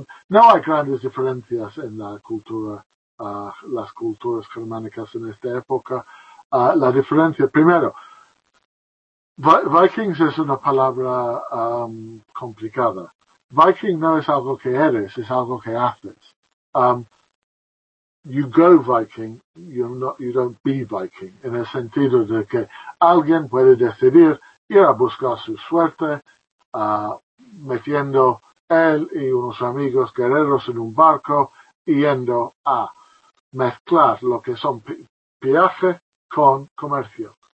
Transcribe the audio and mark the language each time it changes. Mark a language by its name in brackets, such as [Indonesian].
[Spanish] No hay grandes diferencias en la cultura, las culturas germánicas en esta época. La diferencia, primero, Vikings es una palabra complicada. Viking no es algo que eres, es algo que haces. [English] You go Viking, you don't be Viking. [Spanish] En el sentido de que alguien puede decidir ir a buscar su suerte, metiendo él y unos amigos guerreros en un barco y yendo a mezclar lo que son viaje con comercio.